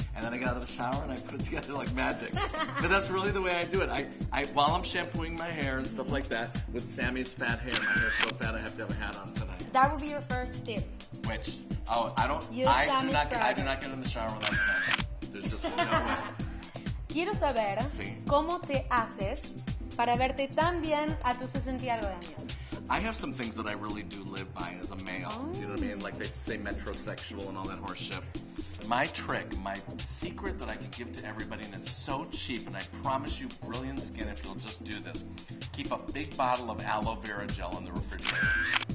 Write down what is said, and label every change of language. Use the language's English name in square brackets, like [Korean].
[English] And then I got out of the shower and I put it together like magic. But that's really the way I do it. I while I'm shampooing my hair and stuff like that, with Sammy's fat hair, my hair's so fat I have to have a hat on tonight. That would be your first tip. Which? Oh, I don't. I do not get in the shower without that. There's just no way. [Spanish] Quiero saber cómo te haces para verte tan bien a tus 60 algo de años. [English] I have some things that I really do live by as a male. Oh. Do you know what I mean? Like they say metrosexual and all that horseshit. My trick, my secret that I can give to everybody, and it's so cheap, and I promise you brilliant skin if you'll just do this. Keep a big bottle of aloe vera gel in the refrigerator.